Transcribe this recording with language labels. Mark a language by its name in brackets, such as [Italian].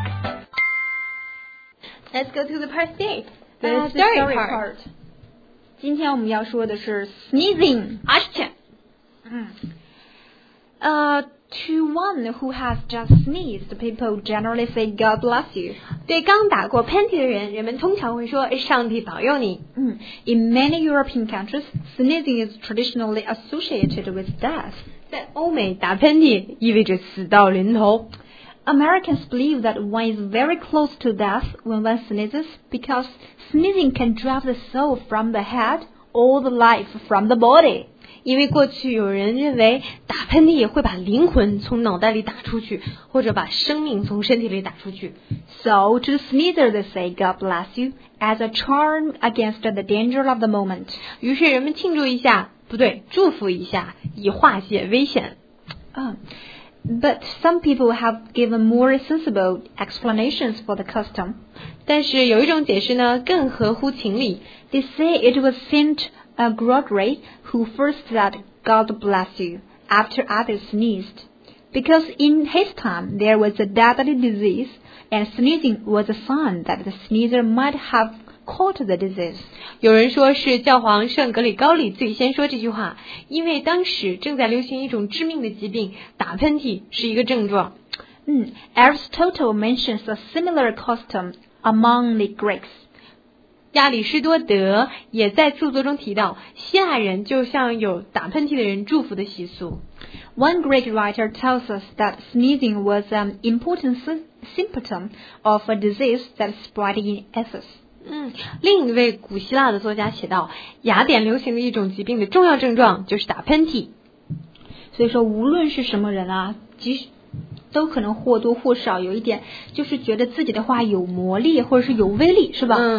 [English] 嗯、Let's go to the part three. The story part. [Chinese] 今天我们要说的是 sneezing. 阿嚏。嗯。 [English] To one who has just sneezed, people generally say God bless you. [Chinese] 对刚打过喷嚏的人，人们通常会说上帝保佑你。嗯。 [English] In many European countries, sneezing is traditionally associated with death. [Chinese] 在欧美，打喷嚏意味着死到临头。 [English] Americans believe that one is very close to death when one sneezes because sneezing can drive the soul from the head, all the life from the body. [Chinese] 因为过去有人认为打喷嚏会把灵魂从脑袋里打出去，或者把生命从身体里打出去。 [English] So to the sneezer they say God bless you as a charm against the danger of the moment. [Chinese] 于是人们庆祝一下，不对，祝福一下，以化解危险。 [English] But some people have given more sensible explanations for the custom. [Chinese] 但是有一种解释呢，更合乎情理。 [English] They say it was Saint Gregory who first said God bless you after others sneezed. Because in his time there was a deadly disease and sneezing was a sign that the sneezer might have caught the disease. [Chinese] 有人说是教皇圣格里高里最先说这句话，因为当时正在流行一种致命的疾病，打喷嚏是一个症状。 [English] Aristotle mentions a similar custom among the Greeks. [Chinese] 亚里士多德也在著作中提到，希腊人就像有打喷嚏的人祝福的习俗。 [English] One Greek writer tells us that sneezing was an important symptom of a disease that spread in Athens. [Chinese] 另一位古希腊的作家写道，雅典流行的一种疾病的重要症状就是打喷嚏。所以说无论是什么人啊，即使都可能或多或少有一点，就是觉得自己的话有魔力或者是有威力，是吧？